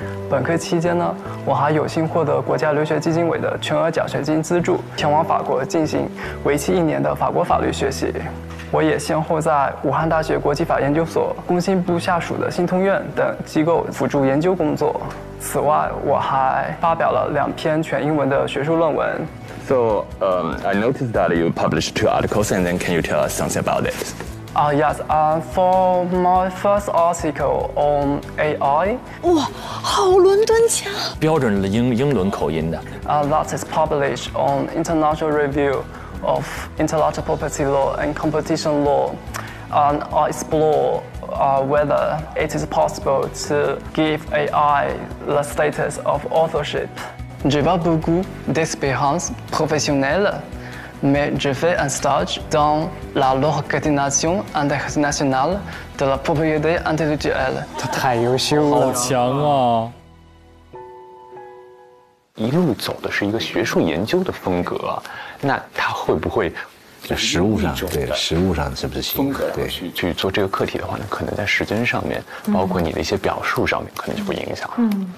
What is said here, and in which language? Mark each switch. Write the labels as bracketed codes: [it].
[zh] 本科期间呢，我还有幸获得国家留学基金委的全额奖学金资助，前往法国进行为期一年的法国法律学习。我也先后在武汉大学国际法研究所、工信部下属的信通院等机构辅助研究工作。此外，我还发表了两篇全英文的学术论文。 [en] So, I noticed that you published two articles, and then can you tell us something about it? Yes. For my first article on AI. [zh] 哇，好伦敦腔！标准的英伦口音的。 [en] That is published on International Review of Intellectual Property Law and Competition Law, and I explore. Whether it is possible to give AI the status of authorship. [fr] J'ai pas beaucoup d'expérience professionnelle, mais je fais un stage dans la l'organisation internationale de la propriété intellectuelle. [zh] 他太优秀了，好强啊！一路走的是一个学术研究的风格，那他会不会？实物上，对，实物上是不是行？风格对，去做这个课题的话呢，可能在时间上面，包括你的一些表述上面，可能就不影响了。